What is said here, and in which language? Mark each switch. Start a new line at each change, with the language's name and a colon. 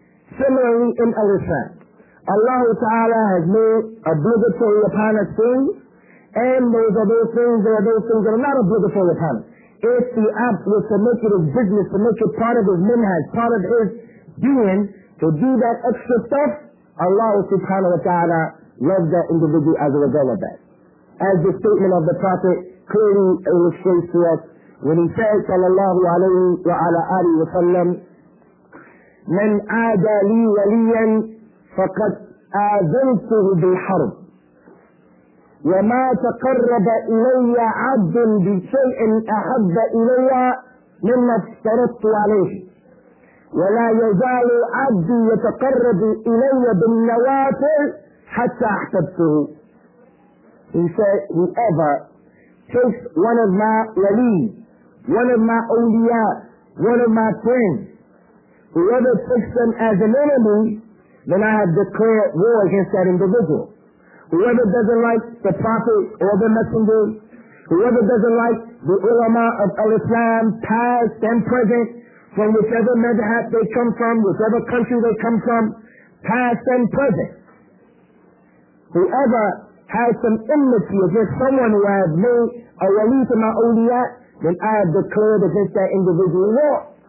English: Similarly, in other times, Allah Ta'ala has made obligatory upon us things, and those things that are not obligatory upon us. If the app was to make it his business, to make it part of his minhaj, part of his being, to do that extra stuff, Allah Subhanahu wa Ta'ala loves that individual as a result of that. As the statement of the Prophet clearly illustrates to us when he says,
Arabic: sallallahu alayhi wa ala alihi wa sallam, من عادى لي وليا فقد آذنته بالحرب وما تقرب إلي عبد بشيء أحب إلي مما افترضت عليه ولا يزال عبدي يتقرب إلي بالنوافل حتى أحببته.
English: He said, whoever takes one of my wali, one of my awliya, one of my friends, whoever takes them as an enemy, then I have declared war against that individual. Whoever doesn't like the Prophet or the Messenger, whoever doesn't like the ulama of al-Islam, past and present, from whichever madhhab they come from, whichever country they come from, past and present, whoever has some enmity against someone who has made a wali to my awliya, then I have declared against that individual war.